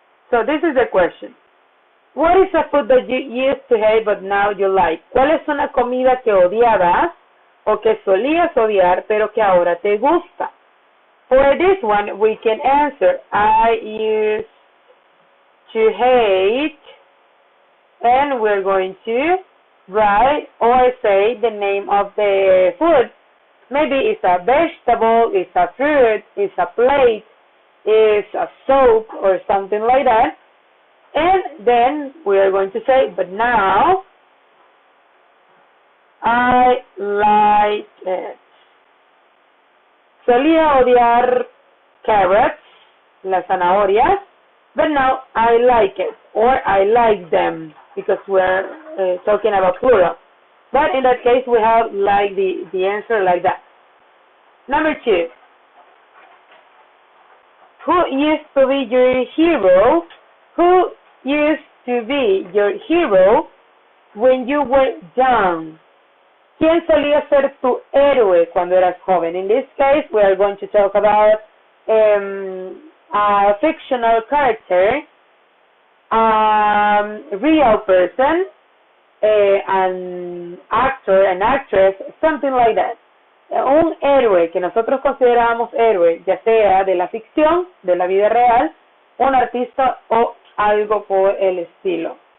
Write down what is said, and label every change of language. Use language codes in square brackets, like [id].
[en] So this is the question. What is a food that you used to hate but now you like? [es] ¿Cuál es una comida que odiabas o que solías odiar pero que ahora te gusta? [en] For this one, we can answer, I used to hate, and we're going to write or say the name of the food. Maybe it's a vegetable, it's a fruit, it's a plate, is a soap or something like that, and then we are going to say, but now I like it. [es] Solía odiar [en] carrots, [es] las zanahorias, [en] but now I like it, or I like them, because we're talking about plural. But in that case, we have like the answer like that. Number two. Who used to be your hero? Who used to be your hero when you were young? [es] ¿Quién solía ser tu héroe cuando eras joven? [en] In this case, we are going to talk about a fictional character, a real person, an actor, an actress, something like that. [es] Un héroe que nosotros considerábamos héroe, ya sea de la ficción, de la vida real, un artista o algo por el estilo.